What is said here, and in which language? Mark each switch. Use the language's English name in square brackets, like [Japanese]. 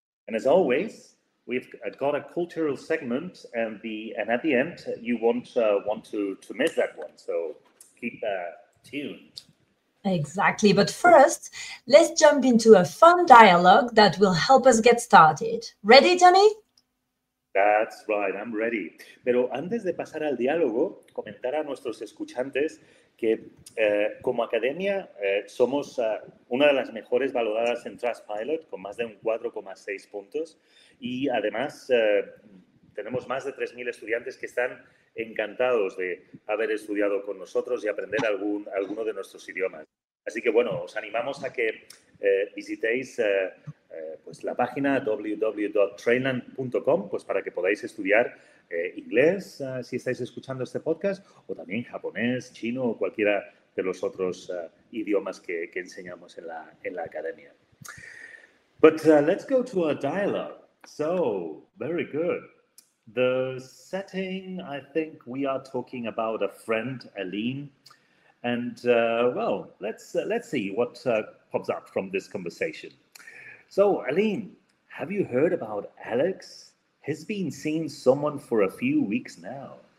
[English] And as always, we've got a cultural segment, and at the end, you won't want to miss that one. So keep tuned. Exactly. But first, let's jump into a fun dialogue that will help us get started. Ready, Johnny? That's right, I'm ready. [Spanish] Pero antes de pasar al diálogo, comentar a nuestros escuchantes que como academia somos una de las mejores valoradas en Trustpilot con más de un 4,6 puntos y además tenemos más de 3.000 estudiantes que están encantados de haber estudiado con nosotros y aprender alguno de nuestros idiomas. Así que bueno, os animamos a que visitéis pues la página www.trainland.com pues para que podáis estudiar inglés si estáis escuchando este podcast o también japonés, chino o cualquiera de los otros idiomas que enseñamos en la academia. [English] But let's go to our dialogue. So, very good. The setting, I think we are talking about a friend, Aline. And well, let's see what pops up from this conversation. So, Aline, have you heard about Alex? He's been seeing someone for a few weeks now.